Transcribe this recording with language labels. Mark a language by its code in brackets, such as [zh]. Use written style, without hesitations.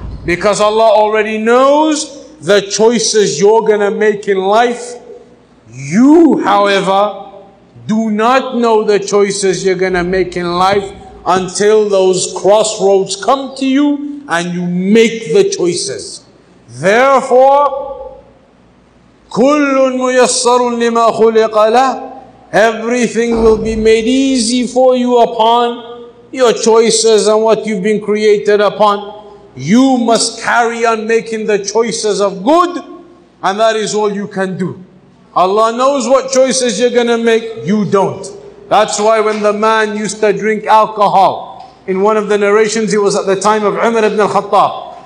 [en] Because Allah already knows the choices you're gonna make in life. You, however, do not know the choices you're gonna make in life until those crossroads come to you and you make the choices. Therefore, [ar] كُلٌّ مُيَسَّرٌ لِمَا خُلِقَ لَهُ. [en] Everything will be made easy for you upon your choices and what you've been created upon. you must carry on making the choices of good, and that is all you can do. Allah knows what choices you're gonna make, you don't. That's why when the man used to drink alcohol, in one of the narrations, it was at the time of Umar ibn al-Khattab.